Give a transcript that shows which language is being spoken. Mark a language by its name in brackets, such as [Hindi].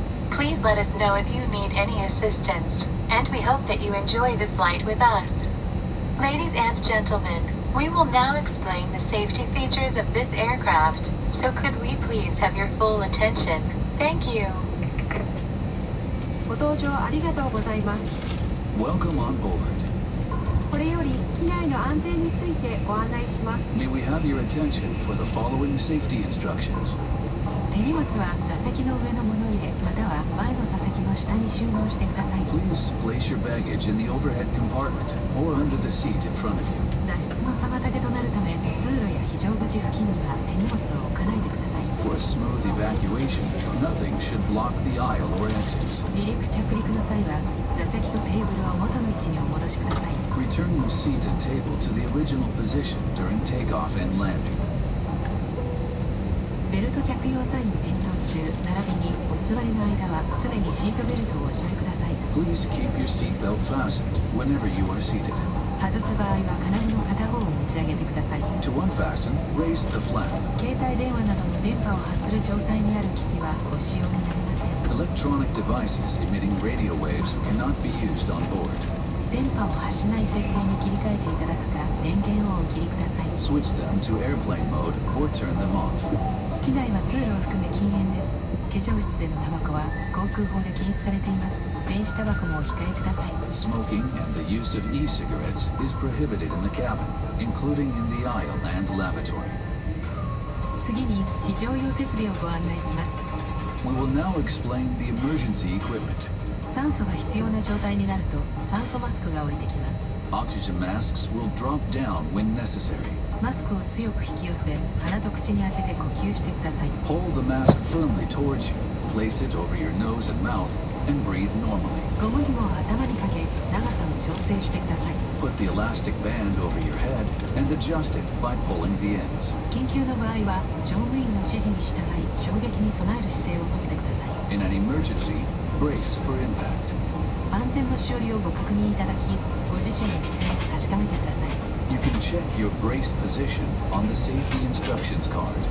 [English] Please let us know if you need any assistance, and we hope that you enjoy the flight with us. Ladies and gentlemen, we will now explain the safety features of this aircraft. So could we please have your full attention? Thank you. [Japanese] ご搭乗ありがとうございます。 [English] Welcome on board. [Japanese] これより機内の安全についてご案内します。 [English] May we have your attention for the following safety instructions? [Japanese] 手荷物は座席の上の物入れ、または前の座席の下に収納してください。 [English] Please place your baggage in the overhead compartment or under the seat in front of you. [Japanese] 脱出の妨げとなるため、通路や非常口付近には手荷物を置かないでください。 [English] For a smooth evacuation, nothing should block the aisle or exits. [Japanese] 離陸着陸の際は、座席とテーブルを元の位置にお戻しください。 [English] Return your seat and table to the original position during takeoff and landing. [Japanese] ベルト着用サイン点灯中、並びにお座りの間は常にシートベルトをお締めください。 [English] Please keep your seat belt fastened whenever you are seated. [Japanese] 外す場合は金具の片方を持ち上げてください。 [English] To unfasten, raise the flap. [Japanese] 携帯電話などの電波を発する状態にある機器はご使用になりません。 [English] Electronic devices emitting radio waves cannot be used on board. [Japanese] 電波を発しない設計に切り替えていただくか、電源をお切りください。 [English] Switch them to airplane mode or turn them off. [Japanese] 機内は通路を含め禁煙です。化粧室でのタバコは航空法で禁止されています。電子タバコもお控えください。 [English] Smoking and the use of e-cigarettes is prohibited in the cabin, including in the aisle and lavatory. [Japanese] 次に非常用設備をご案内します。 [English] We will now explain the emergency equipment. [Japanese] 酸素が必要な状態になると酸素マスクが降りてきます。 [English] Oxygen masks will drop down when necessary. [Japanese] マスクを強く引き寄せ、鼻と口に当てて呼吸してください。 [English] Pull the mask firmly towards you. Place it over your nose and mouth. And breathe normally. [Japanese] ゴム紐を頭にかけ、長さを調整してください。 [English] Put the elastic band over your head and adjust it by pulling the ends. [Japanese] 緊急の場合は、乗務員の指示に従い、衝撃に備える姿勢をとってください。 [English] In an emergency, brace for impact. [Japanese] 安全のしおりをご確認いただき、ご自身の姿勢を確かめてください。 [English] You can check your brace position on the safety instructions card.